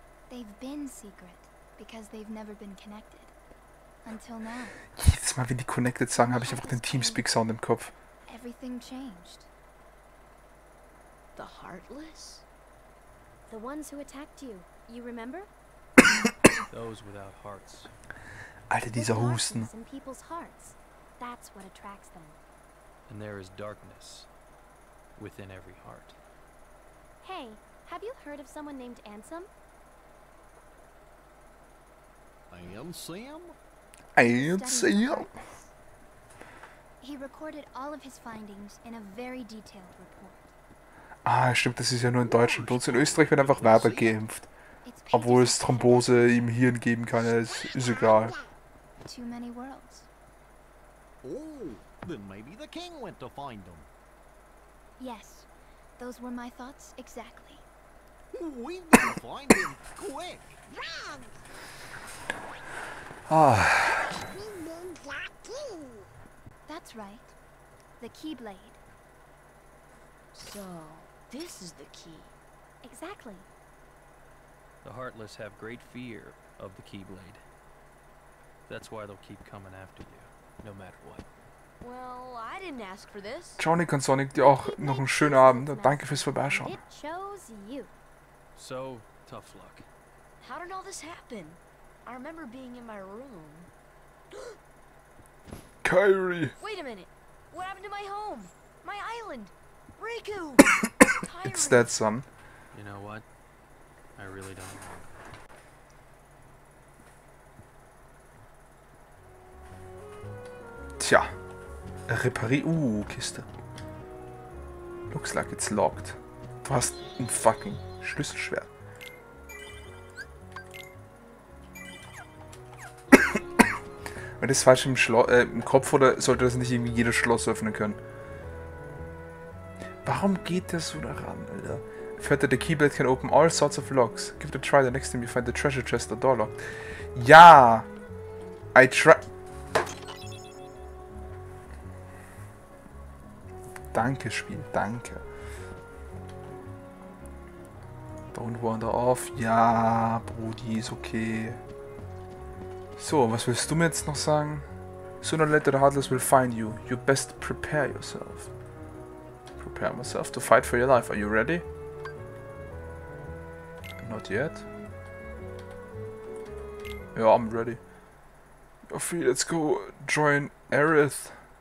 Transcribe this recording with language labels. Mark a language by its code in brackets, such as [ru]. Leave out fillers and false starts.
[en] They've been secret because they've never been connected until now. [de] Jedes Mal, wenn die connected sagen, habe ich einfach den Teamspeak Sound im Kopf. [en] Everything changed. The heartless? The ones who attacked you. You remember? Those without hearts. [de] Alter, dieser Husten. [en] In people's hearts. That's what attracts them. And there is darkness within every heart. Hey, have you heard of someone named Ansem? Ansem? Ansem? He recorded all of his findings in a very detailed report. [de] Ah, stimmt, das ist ja nur in Deutschland. Bei uns in Österreich wird einfach weiter geimpft. Obwohl es Thrombose im Hirn geben kann, ist egal. [en] Too many worlds. Oh. Then maybe the king went to find them. Yes, those were my thoughts exactly. We need to find him quick. Wrong. Ah. We named that king. That's right, the Keyblade. So this is the key. Exactly. The Heartless have great fear of the Keyblade. That's why they'll keep coming after you, no matter what. Well, I didn't ask for this. [de] Jonik und Sonic, dir auch noch einen schönen Abend und danke fürs Vorbeischauen. [en] It chose you. So, tough luck. How did all this happen? I remember being in my room. Kairi! Wait a minute. What happened to my home? My island? Riku! It's dead, son. You know what? I really don't know. [de] Tja. Reparier. Kiste. [en] Looks like it's locked. [de] Du hast ein fucking Schlüsselschwert. Wenn das falsch im Kopf oder sollte das nicht irgendwie jedes Schloss öffnen können? Warum geht der so da ran, Alter? [en] Further, the Keyblade can open all sorts of locks. Give it a try the next time you find the treasure chest or door locked. Ja! I try. [de] Danke, Spiel, danke. [en] Don't wander off. [de] Ja, Brudi, ist okay. So, was willst du mir jetzt noch sagen? [en] Sooner or later the Heartless will find you. You best prepare yourself. Prepare myself to fight for your life. Are you ready? Not yet. Yeah, I'm ready. Okay, let's go join Aerith.